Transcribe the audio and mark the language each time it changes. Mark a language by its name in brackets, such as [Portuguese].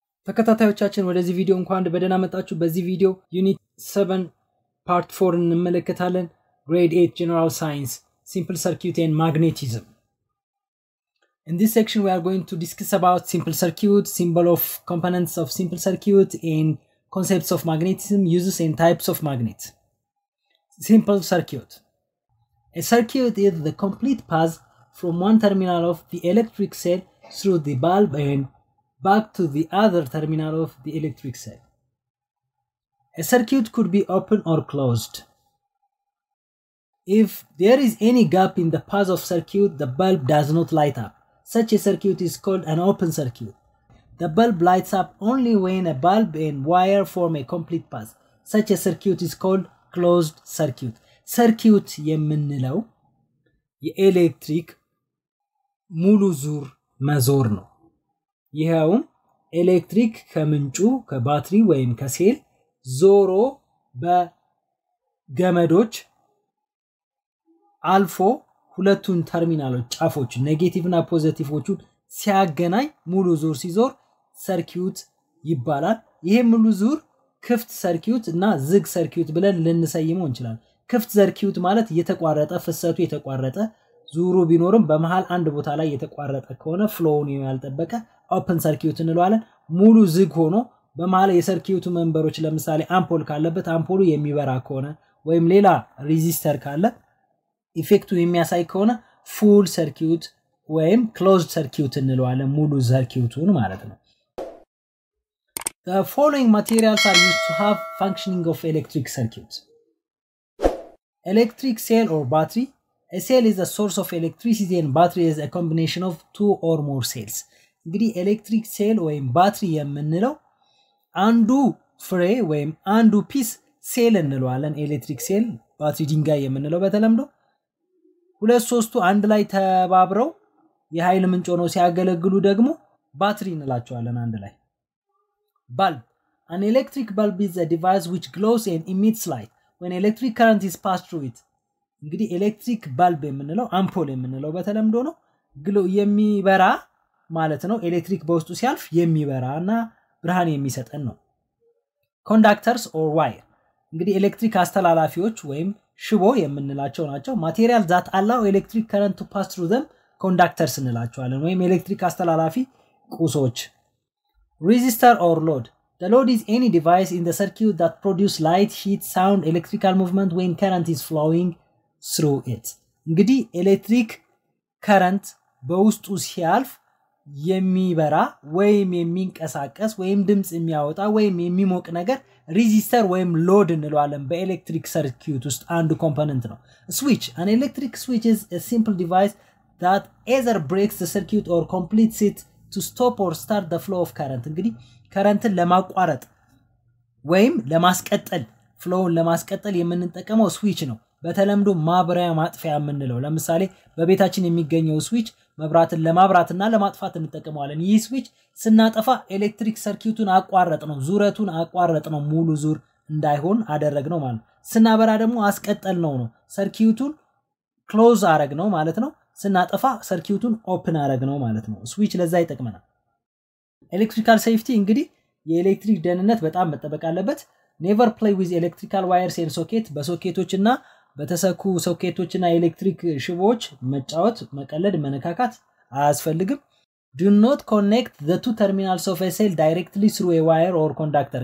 [Amharic] ተከታታዮቻችን ወደዚህ ቪዲዮ እንኳን በደህና መጣችሁ። በዚህ ቪዲዮ ዩኒት 7 part 4 እንመለከታለን። [English] grade 8 general science simple circuit and magnetism. In this section we are going to discuss about simple circuit, symbol of components of simple circuit and concepts of magnetism, uses and types of magnets. Simple circuit. A circuit is the complete path from one terminal of the electric cell through the bulb and back to the other terminal of the electric cell. A circuit could be open or closed. If there is any gap in the path of circuit, the bulb does not light up. Such a circuit is called an open circuit. The bulb lights up only when a bulb and wire form a complete path. Such a circuit is called closed circuit. [Amharic] Circuit የምንለው የelectric ሙሉ ዙር መዞር ነው። ይሄውም electric ከምንጩ ከባትሪ ወይም ከሴል ዞሮ በገመዶች አልፎ ሁለቱን ተርሚናሎች ጫፎች ኔጌቲቭ እና ፖዚቲቭዎቹ ሲያገናኝ ሙሉ ዙር ሲዞር circuit ይባላል። ይሄ ሙሉ ዙር ክፍት circuit እና ዝግ circuit ብለን ልንሰይመው እንችላለን። ክፍት circuit ማለት የተቋረጠ ፍሰቱ የተቋረጠ ዙሩ ቢኖርም በመሃል አንድ ቦታ ላይ የተቋረጠ ከሆነ flow ነው ያልተበቀ open circuit እንለዋለን። ሙሉ ዝግ ሆኖ በመሃል የሰርኪዩቱ መንበሮች ለምሳሌ አምፖል ካለበት አምፖሉ የሚበራ ከሆነ ወይም ሌላ ሬዚስተር ካለ ኢፌክቱ የሚያሳይ ከሆነ ፉል ሰርኪዩት ወይም ክሎዝድ ሰርኪዩት እንለዋለን። ሙሉ ሰርኪዩቱን ማለት ነው። [English] The following materials are used to have functioning of electric circuit. Electric cell or battery. A cell is a source of electricity and battery is a combination of two or more cells. [Amharic] እንግዲህ electric cell ወይም battery የምንለው አንዱ ፍሬ ወይም አንዱ ፒስ ሴል እንለዋለን። electric cell battery ድንጋይ የምንለው በተለምዶ ሁለት ሶስቱ አንድ ላይ ተባብረው የኃይል ምንጭ ሆነው ሲያገለግሉ ደግሞ ባትሪ እንላቸዋለን አንድ ላይ። bulb. [English] an electric bulb is a device which glows and emits light when electric current is passed through it. [Amharic] እንግዲህ electric bulb የምንለው አምፖል የምንለው በተለምዶ ነው። glow የሚበራ ማለት ነው። electric በውስጡ ሲያልፍ የሚበራ እና ብርሃን የሚሰጠን ነው። [English] conductors or wire. [Amharic] እንግዲህ electric አስተላላፊዎች ወይም ሽቦ የምንላቸው ናቸው። [English] materials that allow electric current to pass through them [Amharic] conductors እንላቸዋለን ወይም electric አስተላላፊ ቁሶች። [English] resistor or load. the load is any device in the circuit that produces light, heat, sound, electrical movement when current is flowing through it. [Amharic] እንግዲህ electric current በውስጡ ሲያልፍ የሚበራ ወይም የሚንቀሳቀስ ወይም ድምጽ የሚያወጣ ወይም የሚሞቅ ነገር ሬዚስተር ወይም ሎድ እንለዋለን። በኤሌክትሪክ ሰርኪዩት ውስጥ አንዱ ኮምፖነንት ነው። ስዊች. [English] an electric switch is a simple device that either breaks the circuit or completes it to stop or start the flow of current. [Amharic] እንግዲህ ከረንትን ለማቋረጥ ወይም ለማስቀጠል ፍሎውን ለማስቀጠል የምንጠቀመው ስዊች ነው። በተለምዶ ማብሪያ ማጥፊያ የምንለው ለምሳሌ በቤታችን የሚገኘው ስዊች መብራትን ለማብራትና ለማጥፋት እንጠቀመዋለን። ይህ ስዊች ስናጠፋ ኤሌክትሪክ ሰርኪዩቱን አቋረጥነው ዙረቱን አቋረጥነው ሙሉ ዙር እንዳይሆን አደረግነው ማለት ነው። ስናበራ ደግሞ አስቀጠልነው ነው ሰርኪዩቱን ክሎዝ አረግነው ማለት ነው። ስናጠፋ ሰርኪዩቱን ኦፕን አረግነው ማለት ነው። ስዊች ለዛ ይጠቅመናል። ኤሌክትሪካል ሴፍቲ እንግዲህ የኤሌክትሪክ ደህንነት በጣም መጠበቅ አለበት። [English] never play with electrical wires and sockets. [Amharic] በሶኬቶችና በተሰኩ ሶኬቶችና ኤሌክትሪክ ሽቦዎች መጫወት መቀለድ መነካካት አያስፈልግም። [English] do not connect the two terminals of a cell directly through a wire or conductor.